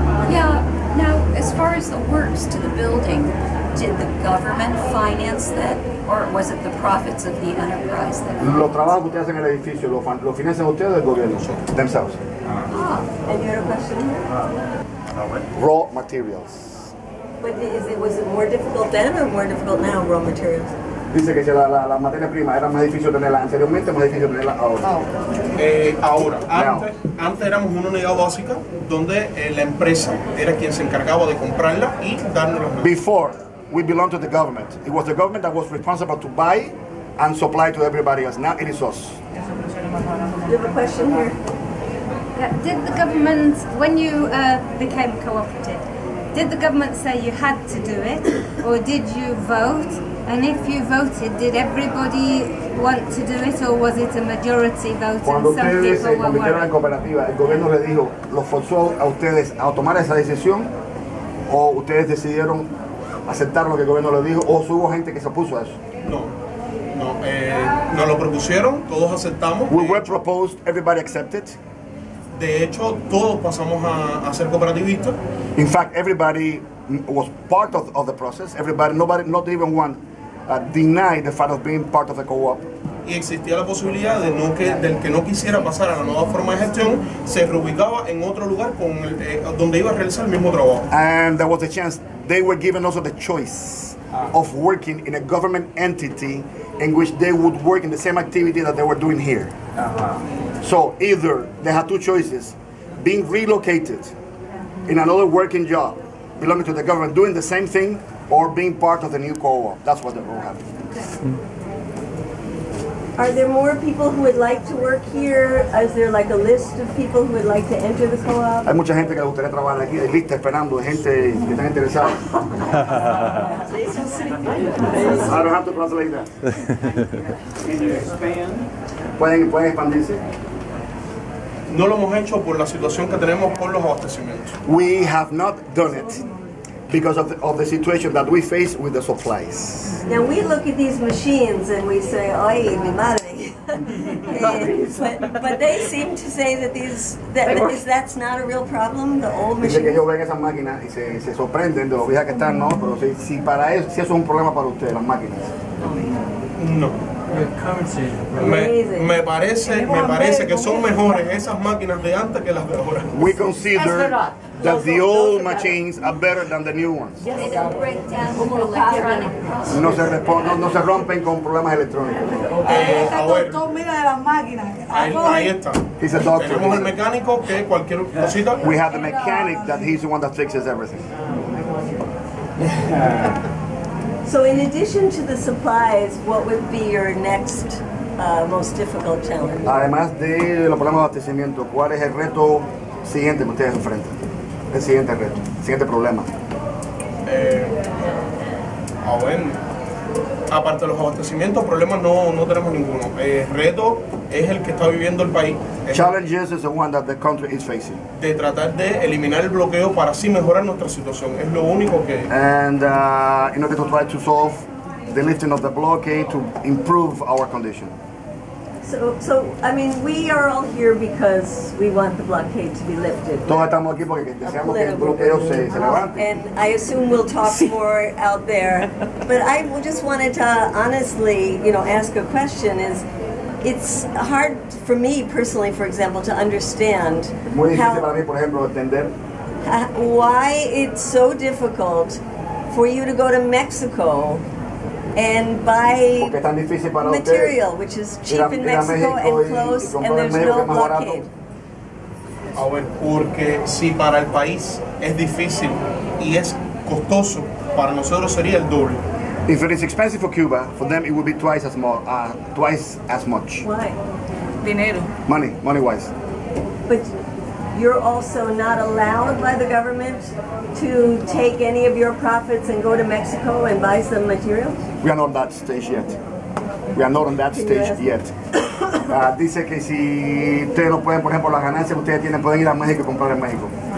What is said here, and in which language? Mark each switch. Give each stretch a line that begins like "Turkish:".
English: Yeah, now as far as the works to the building, did the government finance that or was it the profits of the enterprise that?
Spanish: Los trabajos que ustedes hacen en el edificio lo financian ustedes del gobierno, themselves.
English: And you had a question? Raw materials. But was it more difficult then or more difficult now, raw materials?
Spanish: Dice que si la materia prima era más difícil tenerla anteriormente, más difícil tenerla ahora. Antes éramos una unidad básica donde la empresa era quien se encargaba de comprarla y darnos los.
English: Before, we belonged to the government. It was the government that was responsible to buy and supply to everybody else. Now it is us. You have a question here. Did the government, when you became cooperative, did the government say you had to do it, or did you vote? And if you voted, did everybody want to do it, or was it a majority vote and some people were worried?
Spanish: Cuando ustedes se convirtieron en cooperativa, el gobierno le dijo, ¿lo forzó a ustedes a tomar esa decisión, o ustedes decidieron aceptar lo que el gobierno le dijo, o hubo gente que se opuso a eso? No, nos lo propusieron, todos aceptamos.
English: We were proposed, everybody accepted.
Spanish: De hecho, todos pasamos a ser cooperativistas.
English: In fact, everybody was part of the process. Everybody, nobody, not even one, denied the fact of being part of the co-op.
Spanish: Y existía la posibilidad de no que, del que no quisiera pasar a la nueva forma de gestión, se reubicaba en otro lugar con el, donde iba a realizar el mismo trabajo.
English: And there was a chance. They were given also the choice of working in a government entity in which they would work in the same activity that they were doing here. So either they had two choices, being relocated in another working job, belonging to the government, doing the same thing, or being part of the new co-op. That's what they were having. Are there more people who would like to work here? Is there like a list of people who would like to enter the co-op?
Spanish: Hay mucha gente que le gustaría trabajar aquí, hay lista esperando, gente que está interesada.
English: I don't have to translate that. Can you expand?
Spanish: ¿Pueden expandirse? No lo hemos hecho por la situación que tenemos con los abastecimientos.
English: We have not done it because of the situation that we face with the supplies. Now we look at these machines and we say,
Spanish: ay, mi madre.
English: but they seem to say that's not a real problem, the old machines.
Spanish: Dice que ellos ven esas máquinas y se sorprenden de lo viejas que están, ¿no? Pero si para ellos, si eso es un problema para ustedes, las máquinas. No. Me parece que son mejores esas máquinas de antes que las de ahora.
English: We consider that the old machines are better than the new ones.
Spanish: No se responde, no se rompen con problemas electrónicos. Ahí está.
English: He's a doctor.
Spanish: Tenemos el mecánico que cualquier cosita.
English: We have the mechanic that he's the one that fixes everything. So in addition to the supplies, what would be your next most difficult challenge?
Spanish: Además de los problemas de abastecimiento, ¿cuál es el reto siguiente que ustedes enfrentan? El siguiente reto, el siguiente problema. Aparte de los abastecimientos, problemas no tenemos ninguno. El reto es el que está viviendo el país.
English: Challenges is the one that the country is facing.
Spanish: De tratar de eliminar el bloqueo para así mejorar nuestra situación. Es lo único que...
English: And in order to try to solve the lifting of the blockade to improve our condition. So I mean, we are all here because we want the blockade to be lifted.
Spanish: Todos estamos aquí porque deseamos que el bloqueo se levante.
English: And I assume we'll talk more out there. But I just wanted to honestly, you know, ask a question. Is it's hard for me personally, for example, to understand
Spanish: muy difícil how, para mí, por ejemplo, entender.
English: Why it's so difficult for you to go to Mexico and buy material, which is cheap in Mexico and close, and there's no blockade.
Spanish: A ver, porque si para el país es difícil y es costoso, para nosotros sería el doble.
English: If it is expensive for Cuba, for them it would be twice as much. Why?
Spanish: Dinero.
English: Money-wise. But you're also not allowed by the government to take any of your profits and go to Mexico and buy some materials? We are not on that stage yet. We are not on that stage yet.
Spanish: Dice que si ustedes no pueden, por ejemplo, las ganancias que ustedes tienen, pueden ir a México y comprar en México.